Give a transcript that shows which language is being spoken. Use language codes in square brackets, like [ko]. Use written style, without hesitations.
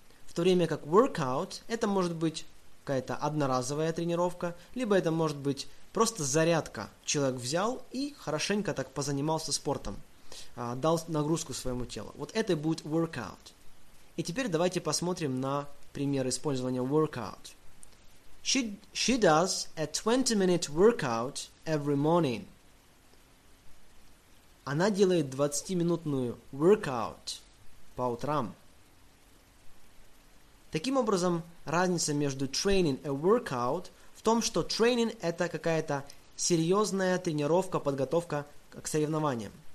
[ru] В то время как workout – это может быть какая-то одноразовая тренировка, либо это может быть просто зарядка. Человек взял и хорошенько так позанимался спортом, дал нагрузку своему телу. Вот это будет workout. И теперь давайте посмотрим на пример использования workout. [en] She does a 20-minute workout every morning. [ru] Она делает 20-минутную workout по утрам. Таким образом, разница между training и workout в том, что training – это какая-то серьезная тренировка, подготовка к соревнованиям.